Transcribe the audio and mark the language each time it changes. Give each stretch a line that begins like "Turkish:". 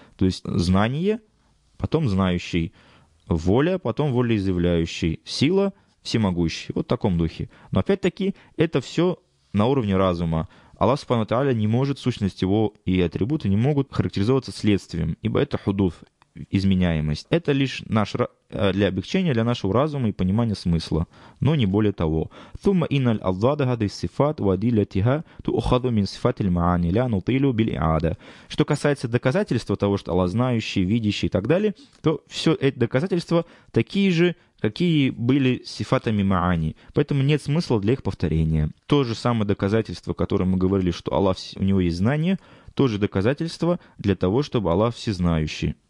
Russian: То есть знание, потом знающий, воля, потом волеизъявляющий, сила, всемогущий. Вот в таком духе. Но опять-таки это все на уровне разума. Аллах субхана ва тааля не может, сущность его и атрибуты не могут характеризоваться следствием, ибо это худуф, изменяемость. Это лишь наш для облегчения, для нашего разума и понимания смысла, но не более того.
Arabic: ثم إن الأضداد هذه الصفات وأدلتها تؤخذ من صفات المعاني لا نطيل بالإعادة.
Russian: Что касается доказательства того, что Аллах знающий, видящий и так далее, то все эти доказательства такие же, какие были сифатами маани. Поэтому нет смысла для их повторения. То же самое доказательство, которое мы говорили, что Аллах, у него есть знание, то же доказательство для того, чтобы Аллах всезнающий.